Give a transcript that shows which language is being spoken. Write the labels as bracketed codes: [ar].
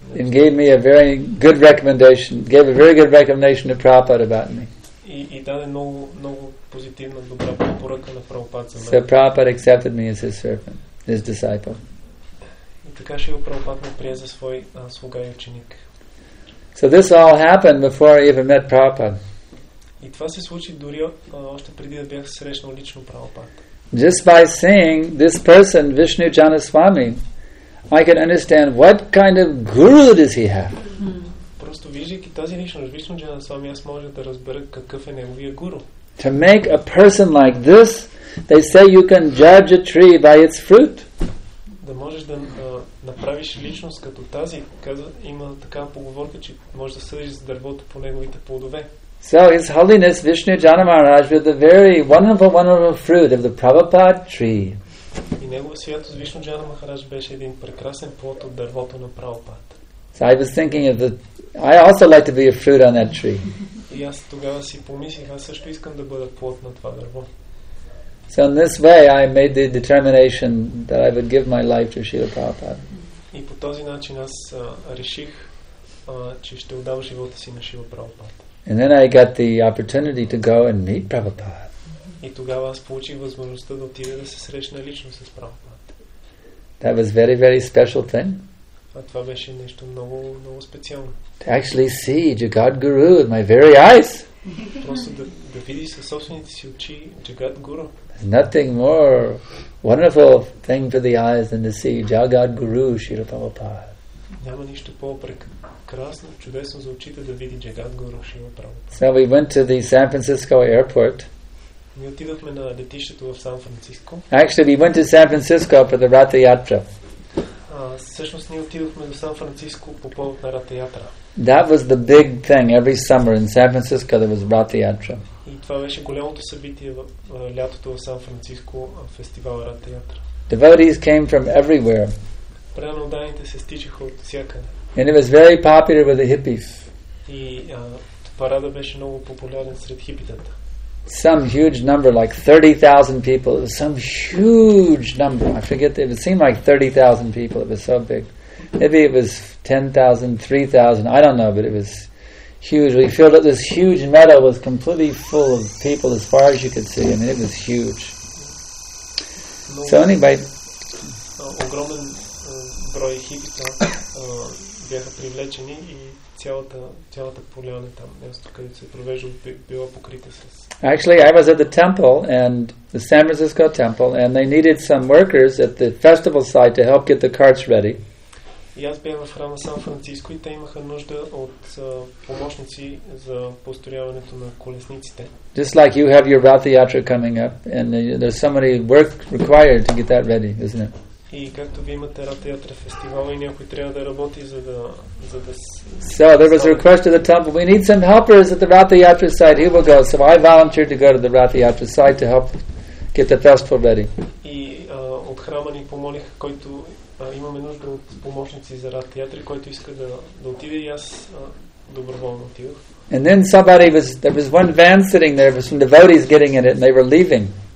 [en] And gave me a very good recommendation. Gave a very good recommendation to Prabhupada about me. [bg] И даде много, много позитивна, добра препоръка на Прабхупад за мен. [en] So Prabhupada accepted me as his servant, his disciple. [bg] И така Шрила Прабхупад ме прие за свой слуга и ученик. [en] So this all happened before I even met Prabhupada. [bg] И това се случи дори още преди да бях срещнал лично Прабхупад. [en] Just by seeing this person, Vishnu Janaswami, I can understand what kind of guru does he have. [bg] Просто виждайки тази личност, Вишну Джанасвами, аз може да разбера какъв е неговия гуру. [en] To make a person like this, they say you can judge a tree by its fruit. [bg] Да можеш да направиш личност като тази, казва, има такава поговорка, че можеш да съдиш за дървото по неговите плодове. [en] So His Holiness Vishnu Jana Maharaj with the very wonderful, wonderful fruit of the Prabhupada tree. [bg] И негова святост Вишну Джана Махарадж беше един прекрасен плод от дървото на Прабхупад. [en] So I was thinking of the I also like to be a fruit on that tree. [bg] И аз тогава си помислих, аз също искам да бъда плод на това дърво. [en] So in this way I made the determination that I would give my life to Srila Prabhupada. [bg] И по този начин аз реших, че ще отдам живота си на Шрила Прабхупада. [en] And then I got the opportunity to go and meet Prabhupada. [bg] И тогава аз получих възможността да отида да се срещна лично с Прабхупада. [en] That was very, very special thing. [bg] А това беше нещо много, много специално. [en] To actually see Jagat Guru with my very eyes. [bg] Просто да видиш със собствените си очи Jagat Guru. [en] There's nothing more wonderful thing for the eyes than to see Jagat Guru Srila Prabhupada. [bg] Няма нищо по-прекрасно, чудесно за очите да види Jagat Guru Srila Prabhupada. [en] So we went to the San Francisco airport. [bg] Ние отидохме на летището в Сан Франциско. [en] Actually, we went to San Francisco for the Ratha Yatra. [bg] Всъщност ние отидохме до Сан Франциско по повод на Ратха Ятра. [en] That was the big thing every summer in San Francisco, there was Ratha Yatra. [bg] И това беше голямото събитие в лятото в Сан Франциско, фестивал Ратха Ятра. [en] Devotees came from everywhere. [bg] Преданите се стичаха от всякъде. [en] And it was very popular with the hippies. [bg] И парада беше много популярен сред хипитата. [en] Some huge number, like 30,000 people. It was some huge number. I forget. It seemed like 30,000 people. It was so big. Maybe it was 10,000, 3,000. I don't know, but it was huge. We filled up this huge meadow was completely full of people as far as you could see. I mean, it was huge. [bg] Много, [en] so anyway... [bg] Огромен брой хипита бяха привлечени и цялата поляна там, място, където се провеждало, била покрита с... [en] Actually, I was at the temple, and the San Francisco temple, and they needed some workers at the festival site to help get the carts ready. [bg] И аз бях в храма Сан Франциско и те имаха нужда от помощници за построяването на колесниците. [en] Just like you have your Ratha Yatra coming up, and there's so many work required to get that ready, isn't it? [bg] И както ви имате Ратха Ятра фестивал и някой трябва да работи, за да... [en] So there was a request to the temple. We need some helpers at the Ratha Yatra site. Here we go. So I volunteered to go to the Ratha Yatra site to help get the festival ready. [bg] И от храма ни помолих, който имаме нужда от помощници за Ратха Ятра, който иска да отиде, и аз доброволно отидох. [en] And then somebody was, there was one van sitting there, there was some devotees getting in it, and they were leaving.